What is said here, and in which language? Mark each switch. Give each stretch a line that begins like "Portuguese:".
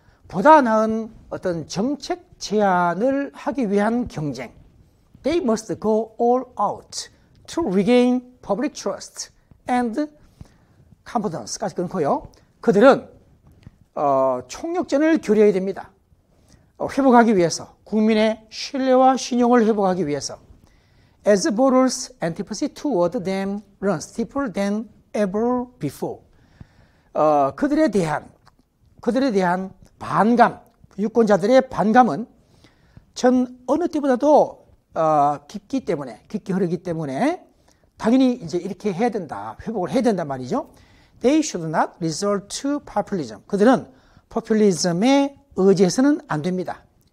Korean: 보다 나은 어떤 정책 제안을 하기 위한 경쟁.
English: They must go all out to regain public trust and confidence
Korean: 까지 끊고요. 그들은 총력전을 기울여야 됩니다. 회복하기 위해서, 국민의 신뢰와 신용을 회복하기 위해서.
English: As voters' antipathy toward them runs deeper than ever before.
Korean: 그들에 대한 반감, 유권자들의 반감은 전 어느 때보다도 깊게 흐르기 때문에 당연히 이제 이렇게 해야 된다, 회복을 해야 된단 말이죠.
English: They should not resort to populism.
Korean: 그들은 populism에 의지해서는 안 됩니다.